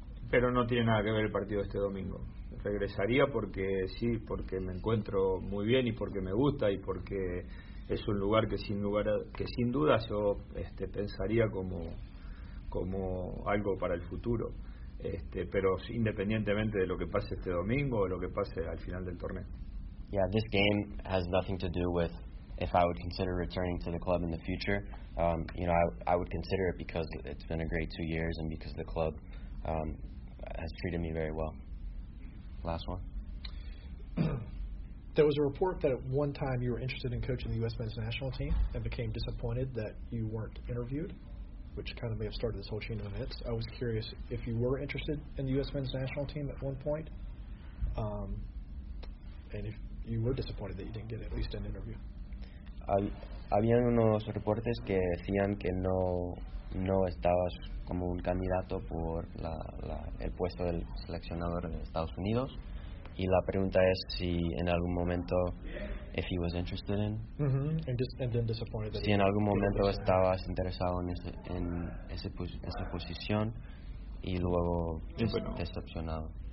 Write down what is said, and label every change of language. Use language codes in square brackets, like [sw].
[es] Pero no tiene nada que ver el partido este domingo. Regresaría porque sí, porque me encuentro muy bien y porque me gusta y porque es un lugar que sin duda yo pensaría como algo para el futuro. Pero independientemente de lo que pase este domingo o lo que pase al final del torneo. [en] Yeah, this game has nothing to do with if I would consider returning to the club in the future. I would consider it because it's been a great 2 years and because the club has treated me very well. Last one. There was a report that at one time you were interested in coaching the U.S. men's national team and became disappointed that you weren't interviewed, which kind of may have started this whole chain of events. I was curious if you were interested in the U.S. men's national team at one point, and if you were disappointed that you didn't get at least an interview. [es] Habían unos reportes que decían que no estabas como un candidato por el puesto del seleccionador de Estados Unidos, y la pregunta es si en algún momento [en] if he was interested in [es] si en algún momento estabas interesado en esa posición y luego decepcionado.